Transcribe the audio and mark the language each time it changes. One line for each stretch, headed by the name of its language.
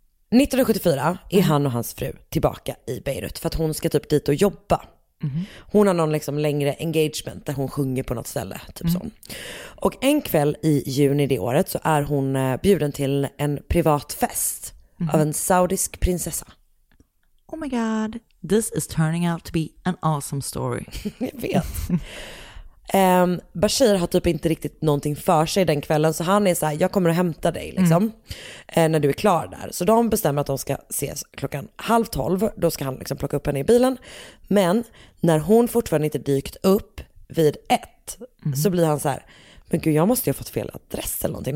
Swedish: 1974 är han och hans fru tillbaka i Beirut för att hon ska typ dit och jobba. Mm-hmm. Hon har någon liksom längre engagement där hon sjunger på något ställe typ så. Och en kväll i juni det året så är hon bjuden till en privat fest av en saudisk prinsessa.
English: Oh my god, this is turning out to be an awesome story.
Swedish: Jag vet. Bashir har typ inte riktigt någonting för sig den kvällen, så han är så här: jag kommer att hämta dig liksom, när du är klar där. Så de bestämmer att de ska ses klockan 11:30, då ska han liksom plocka upp henne i bilen. Men när hon fortfarande inte dykt upp vid 1, så blir han så här: men gud, jag måste ju ha fått fel adress eller någonting.